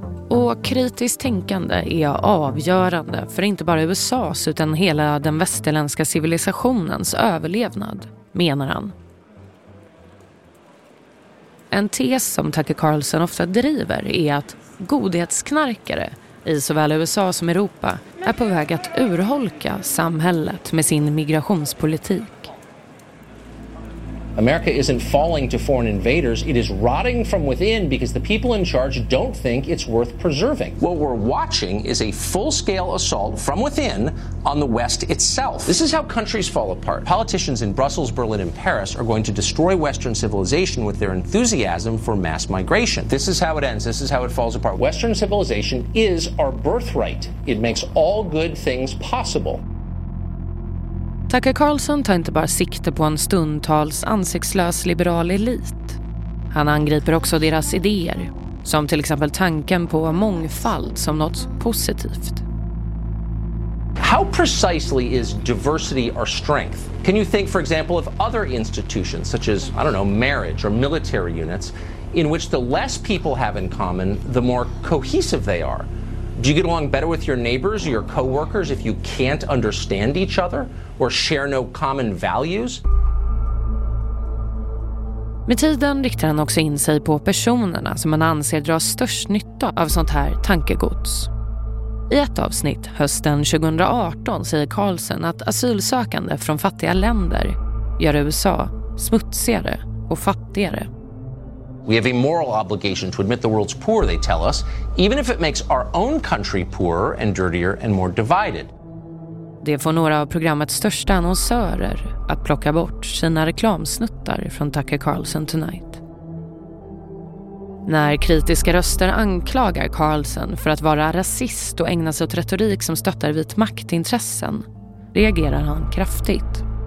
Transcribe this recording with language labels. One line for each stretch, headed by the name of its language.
Swedish: Och kritiskt tänkande är avgörande för inte bara USAs utan hela den västerländska civilisationens överlevnad, menar han. En tes som Tucker Carlson ofta driver är att godhetsknarkare i såväl USA som Europa är på väg att urholka samhället med sin migrationspolitik.
English: America isn't falling to foreign invaders, it is rotting from within because the people in charge don't think it's worth preserving. What we're watching is a full-scale assault from within on the West itself. This is how countries fall apart. Politicians in Brussels, Berlin and Paris are going to destroy Western civilization with their enthusiasm for mass migration. This is how it ends, this is how it falls apart. Western civilization is our birthright. It makes all good things possible.
Swedish: Tucker Carlson tar inte bara sikte på en stundtals ansiktslös liberal elit. Han angriper också deras idéer, som till exempel tanken på mångfald som något positivt.
English: How precisely is diversity our strength? Can you think for example of other institutions such as, I don't know, marriage or military units in which the less people have in common, the more cohesive they are? Do you get along better with your neighbors or your coworkers if you can't understand each other or share no common values?
Swedish: Med tiden riktar han också in sig på personerna som man anser drar störst nytta av sånt här tankegods. I ett avsnitt hösten 2018 säger Carlson att asylsökande från fattiga länder gör USA smutsigare och fattigare.
English: We have a moral obligation to admit the world's poor, they tell us, even if it makes our own country poorer and dirtier and more divided.
Swedish: Det får några av programmets största annonsörer att plocka bort sina reklamsnuttar från Tucker Carlson Tonight. När kritiska röster anklagar Carlson för att vara rasist och ägna sig åt retorik som stöttar vit maktintressen, reagerar han kraftigt.